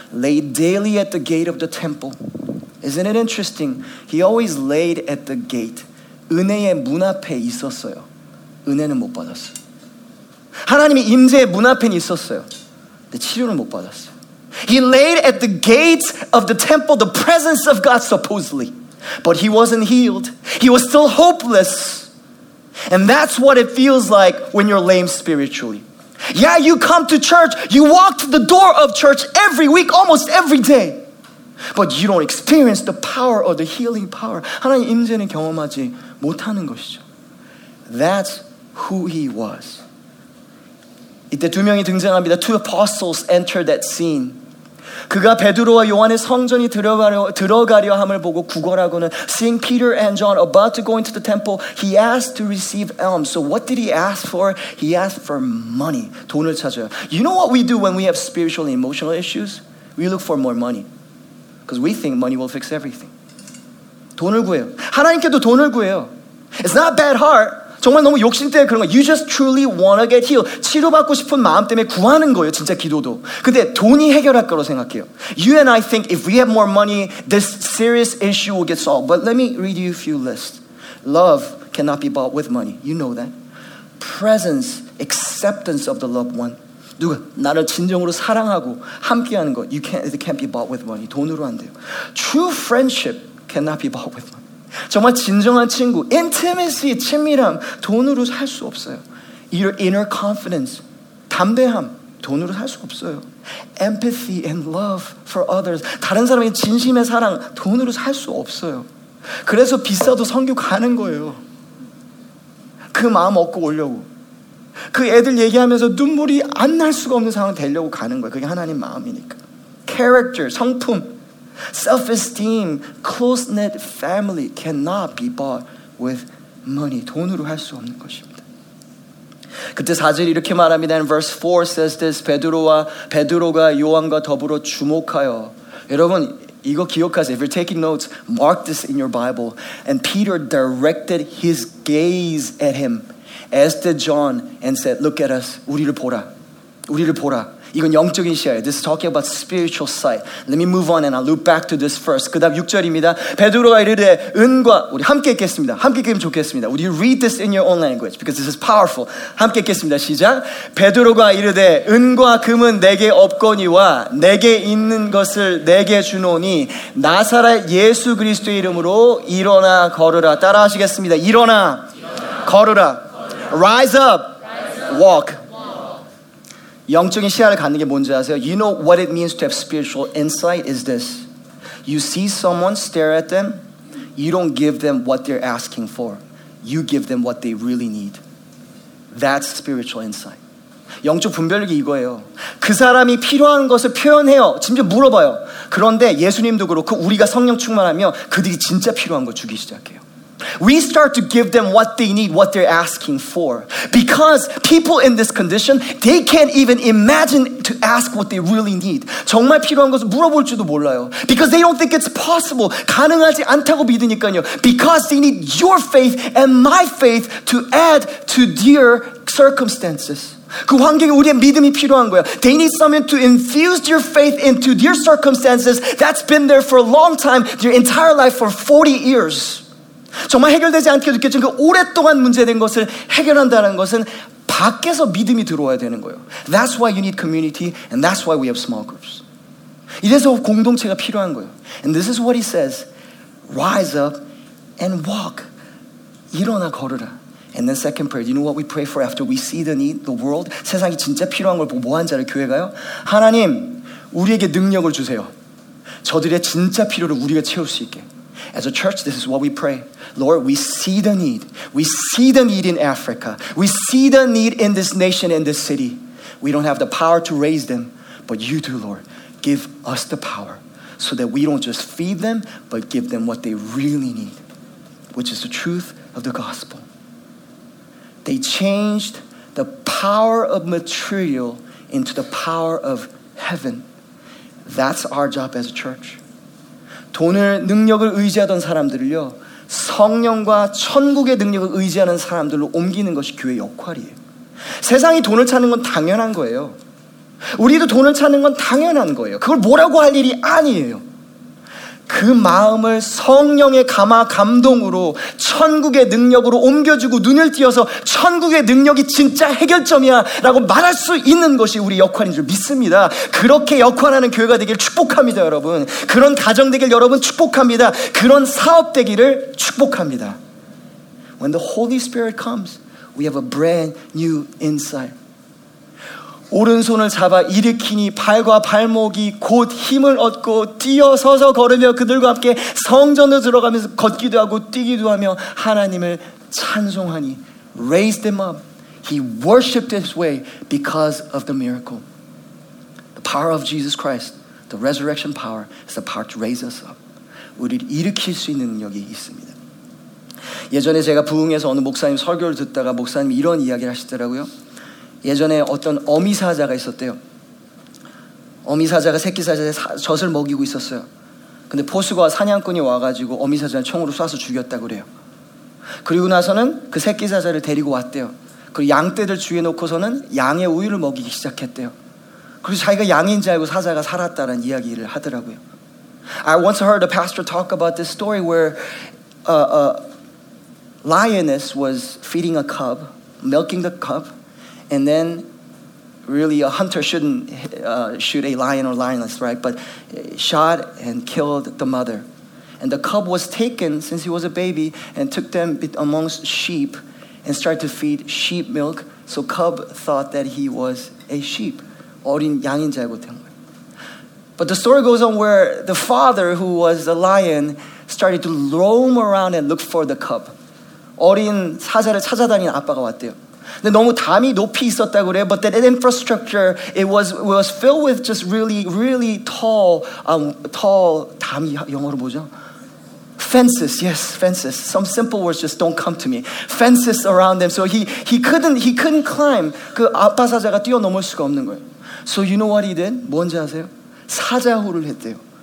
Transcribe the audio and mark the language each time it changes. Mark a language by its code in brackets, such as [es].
[en] Laid daily at the gate of the temple. Isn't it interesting? He always laid at the gate. [ko] 은혜의 문 앞에 있었어요. 은혜는 못 받았어. 하나님이 임재의 문 앞에 있었어요. 근데 치료는 못 받았어. [en] He laid at the gates of the temple, the presence of God, supposedly. But he wasn't healed. He was still hopeless. And that's what it feels like when you're lame spiritually. Yeah, you come to church. You walk to the door of church every week, almost every day. But you don't experience the power or the healing power. [ko] 하나님 임재는 경험하지 못하는 것이죠. [en] That's who he was. [ko] 이때 두 명이 등장합니다. [en] Two apostles entered that scene. [ko] 그가 베드로와 요한의 성전이 들어가려 함을 보고 구걸하고는 [en] Seeing Peter and John about to go into the temple, he asked to receive alms. So what did he ask for? He asked for money. [ko] 돈을 찾아요. [en] You know what we do when we have spiritual and emotional issues? We look for more money. Because we think money will fix everything. [ko] 돈을 구해요. 하나님께도 돈을 구해요. [en] It's not bad heart. [ko] 정말 너무 욕심 때문에 그런 거예요. [en] You just truly want to get healed. [ko] 치료받고 싶은 마음 때문에 구하는 거예요. 진짜 기도도. 근데 돈이 해결할 거라고 생각해요. [en] You and I think if we have more money, this serious issue will get solved. But let me read you a few lists. Love cannot be bought with money. You know that. Presence, acceptance of the loved one. [ko] 누가 나를 진정으로 사랑하고 함께하는 거. [en] It can't be bought with money. [ko] 돈으로 안 돼요. [en] True friendship cannot be bought with money. [ko] 정말 진정한 친구, intimacy, 친밀함, 돈으로 살 수 없어요. [en] Your inner confidence, [ko] 담대함, 돈으로 살 수 없어요. [en] Empathy and love for others, [ko] 다른 사람의 진심의 사랑, 돈으로 살 수 없어요. 그래서 비싸도 성교 가는 거예요. 그 마음 얻고 오려고. 그 애들 얘기하면서 눈물이 안 날 수가 없는 상황 되려고 가는 거예요. 그게 하나님 마음이니까. [en] Character, 성품. Self-esteem, close-knit family cannot be bought with money. [ko] 돈으로 할 수 없는 것입니다. 그때 4절 이렇게 말합니다. [en] And verse 4 says this, [ko] 베드로가 요한과 더불어 주목하여. 여러분, 이거 기억하세요. [en] If you're taking notes, mark this in your Bible. And Peter directed his gaze at him as did John and said, look at us. [ko] 우리를 보라. 우리를 보라. 이건 영적인 시야예요. [en] This is talking about spiritual sight. Let me move on and I'll loop back to this first. [ko] 그 다음 6절입니다. 베드로가 이르되 은과 우리 함께 읽겠습니다. 함께 읽으면 좋겠습니다. [en] Would you read this in your own language? Because this is powerful. [ko] 함께 읽겠습니다. 시작. 베드로가 이르되 은과 금은 내게 없거니와 내게 있는 것을 내게 주노니 나사렛 예수 그리스도의 이름으로 일어나 걸으라. 따라하시겠습니다. 일어나. 일어나. 걸으라. 걸으라. [en] Rise up. Rise up. Walk. [ko] 영적인 시야를 갖는 게 뭔지 아세요? [en] You know what it means to have spiritual insight is this. You see someone, stare at them. You don't give them what they're asking for. You give them what they really need. That's spiritual insight. [ko] 영적 분별력이 이거예요. 그 사람이 필요한 것을 표현해요. 진짜 물어봐요. 그런데 예수님도 그렇고 우리가 성령 충만하며 그들이 진짜 필요한 걸 주기 시작해요. [en] We start to give them what they need, what they're asking for. Because people in this condition, they can't even imagine to ask what they really need. [ko] 정말 필요한 것을 물어볼지도 몰라요. [en] Because they don't think it's possible. [ko] 가능하지 않다고 믿으니까요. [en] Because they need your faith and my faith to add to their circumstances. [ko] 그 환경에 우리의 믿음이 필요한 거야. [en] They need someone to infuse your faith into their circumstances that's been there for a long time, their entire life for 40 years. [ko] 정말 해결되지 않게 느껴진 그 오랫동안 문제된 것을 해결한다는 것은 밖에서 믿음이 들어와야 되는 거예요. [en] That's why you need community and that's why we have small groups. [ko] 이래서 공동체가 필요한 거예요. [en] And this is what he says. Rise up and walk. [ko] 일어나 걸으라. [en] And then second prayer. You know what we pray for after we see the need, the world? [ko] 세상이 진짜 필요한 걸 보고 뭐한 자를 교회가요? 하나님, 우리에게 능력을 주세요. 저들의 진짜 필요를 우리가 채울 수 있게. [en] As a church, this is what we pray. Lord, we see the need. We see the need in Africa. We see the need in this nation, in this city. We don't have the power to raise them, but you do, Lord. Give us the power so that we don't just feed them, but give them what they really need, which is the truth of the gospel. They changed the power of material into the power of heaven. That's our job as a church. [ko] 돈을 능력을 의지하던 사람들을요 성령과 천국의 능력을 의지하는 사람들로 옮기는 것이 교회 역할이에요. 세상이 돈을 찾는 건 당연한 거예요. 우리도 돈을 찾는 건 당연한 거예요. 그걸 뭐라고 할 일이 아니에요. 그 마음을 성령의 감화 감동으로 천국의 능력으로 옮겨주고 눈을 띄어서 천국의 능력이 진짜 해결점이야 라고 말할 수 있는 것이 우리 역할인 줄 믿습니다. 그렇게 역할하는 교회가 되길 축복합니다. 여러분, 그런 가정 되길 여러분 축복합니다. 그런 사업 되기를 축복합니다. [en] When the Holy Spirit comes, we have a brand new insight. [ko] 오른손을 잡아 일으키니 발과 발목이 곧 힘을 얻고 뛰어서서 걸으며 그들과 함께 성전으로 들어가면서 걷기도 하고 뛰기도 하며 하나님을 찬송하니 [en] Raise them up. He worshipped his way because of the miracle. The power of Jesus Christ, the resurrection power, is the power to raise us up. [ko] 우리를 일으킬 수 있는 능력이 있습니다. 예전에 제가 부흥에서 어느 목사님 설교를 듣다가 목사님이 이런 이야기를 하시더라고요. 예전에 어떤 어미 사자가 있었대요. 어미 사자가 새끼 사자의 젖을 먹이고 있었어요. 근데 포수가 사냥꾼이 와가지고 어미 사자를 총으로 쏴서 죽였다고 그래요. 그리고 나서는 그 새끼 사자를 데리고 왔대요. 그리고 양떼들 주위에 놓고서는 양의 우유를 먹이기 시작했대요. 그래서 자기가 양인 줄 알고 사자가 살았다는 이야기를 하더라고요. [en] I once heard a pastor talk about this story where a lioness was feeding a cub, milking the cub. And then, really, a hunter shouldn't shoot a lion or lioness, right? But shot and killed the mother. And the cub was taken, since he was a baby, and took them amongst sheep and started to feed sheep milk. So cub thought that he was a sheep. [ko] 어린 양인 줄 알고 된 거예요. [en] But the story goes on where the father, who was a lion, started to roam around and look for the cub. [ko] 어린 사자를 찾아다니는 아빠가 왔대요. 근데 너무 담이 높이 있었다고 그래요. [en] But that infrastructure, it was filled with just really, really tall [ko] 담이 영어로 뭐죠? [en] Fences, yes, fences. Some simple words just don't come to me. Fences around them. So he couldn't climb. [ko] 그 아빠 사자가 뛰어넘을 수가 없는 거예요. [en] So you know what he did? [ko] 뭔지 아세요? 사자호를 했대요.